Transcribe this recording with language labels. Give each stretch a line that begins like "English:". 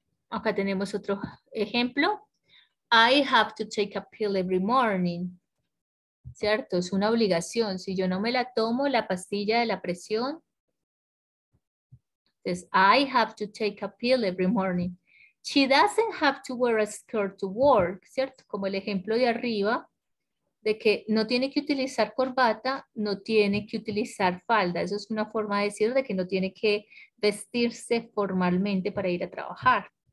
Spanish: Acá tenemos otro ejemplo.
English: I have to take a pill every morning.
Spanish: ¿Cierto? Es una obligación. Si yo no me la tomo, la pastilla de la presión. Entonces,
English: I have to take a pill every morning. She doesn't have to wear a skirt to work.
Spanish: ¿Cierto? Como el ejemplo de arriba, de que no tiene que utilizar corbata, no tiene que utilizar falda. Eso es una forma de decir de que no tiene que vestirse formalmente para ir a trabajar.